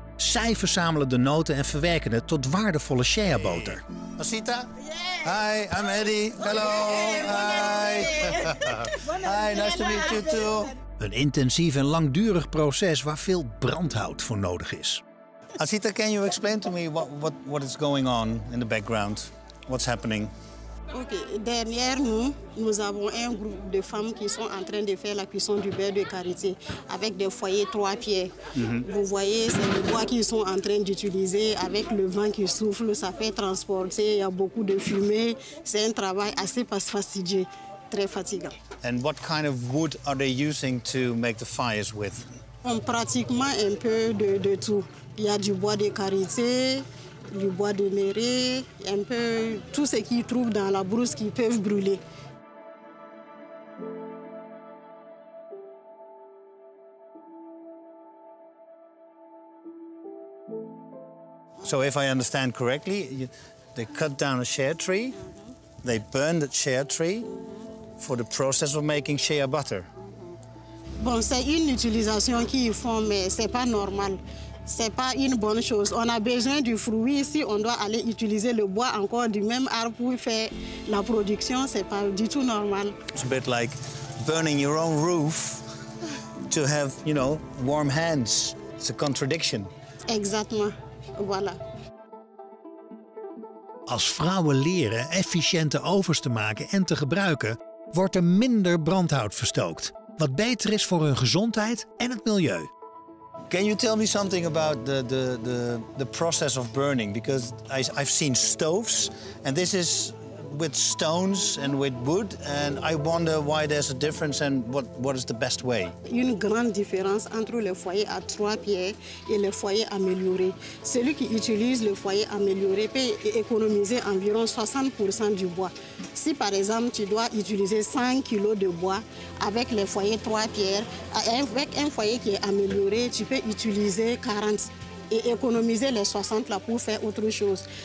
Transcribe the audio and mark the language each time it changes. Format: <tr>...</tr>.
<nl>Zij verzamelen de noten en verwerken het tot waardevolle Shea-boter.</nl> <en>Hey. Asita? Yeah. Hi, I'm Eddie. Hello. Hi. Hi, nice to meet you too.</en> <nl>Een intensief en langdurig proces waar veel brandhout voor nodig is.</nl> <en>Asita, can you explain to me what is going on in the background? What's happening?</en> <fr>Okay, dernièrement, nous avons un groupe de femmes qui sont en train de faire la cuisson du beurre de karité avec des foyers trois pieds. Mm-hmm. Vous voyez, c'est le bois qu'ils sont en train d'utiliser avec le vent qui souffle, ça fait transporter, il y a beaucoup de fumée, c'est un travail assez fastidieux, très fatigant.</fr> <en>And what kind of wood are they using to make the fires with?</en> <fr>On pratiquement un peu de tout. Il y a du bois de karité, du bois de méré, un peu tout ce qu'ils trouvent dans la brousse qu'ils peuvent brûler.</fr> <en>So if I understand correctly, they cut down a shea tree, they burn the shea tree for the process of making shea butter.</en> <fr>Bon, c'est une utilisation qu'ils font, mais c'est pas normal. C'est pas une bonne chose. On a besoin du fruit ici. On doit aller utiliser le bois encore du même arbre pour faire la production. C'est pas du tout normal.</fr> <en>It's a bit like burning your own roof to have, you know, warm hands. It's a contradiction.</en> <fr>Exactement. Voilà.</fr> <nl>Als vrouwen leren efficiënte ovens te maken en te gebruiken, wordt er minder brandhout verstookt. Wat beter is voor hun gezondheid en het milieu.</nl> <en>Can you tell me something about the process of burning? Because I've seen stoves, and this is with stones and with wood, and I wonder why there's a difference and what is the best way.</en> <fr>Une grande différence entre le foyer à trois pieds et le foyer amélioré. Celui qui utilise le foyer amélioré peut économiser environ 60% du bois. Si par exemple tu dois utiliser 100 kg de bois avec le foyer trois pieds, avec un foyer qui est amélioré, tu peux utiliser 40 et économiser les 60 là pour faire autre chose.</fr>